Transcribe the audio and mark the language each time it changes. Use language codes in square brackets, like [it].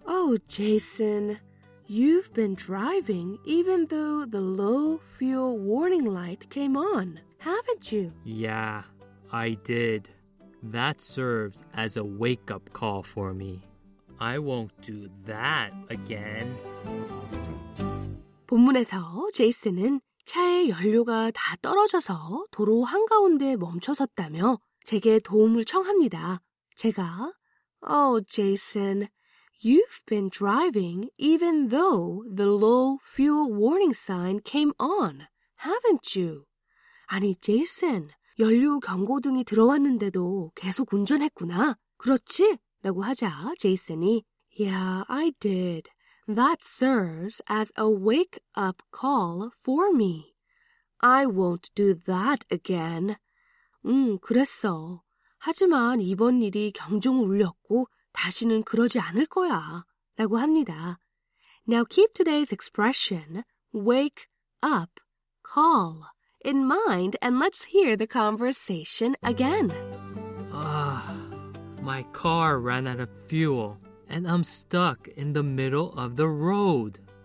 [en] Oh, Jason, you've been driving even though the low fuel warning light came on, haven't you? Yeah, I did. That serves as a wake-up call for me. I won't do that again. [ko] 본문에서 제이슨은 차의 연료가 다 떨어져서 도로 한가운데 멈춰섰다며 제게 도움을 청합니다. 제가 [en] Oh, Jason, you've been driving even though the low fuel warning sign came on, haven't you? [ko] 아니, 제이슨, 연료 경고등이 들어왔는데도 계속 운전했구나. 그렇지? 라고 하자 제이슨이 [en] Yeah, I did. That serves as a wake-up call for me. I won't do that again. [ko] 그랬어. 하지만 이번 일이 경종을 울렸고 다시는 그러지 않을 거야 라고 합니다. [en] Now keep today's expression, wake up, call, in mind and let's hear the conversation again. My car ran out of fuel and I'm stuck in the middle of the road.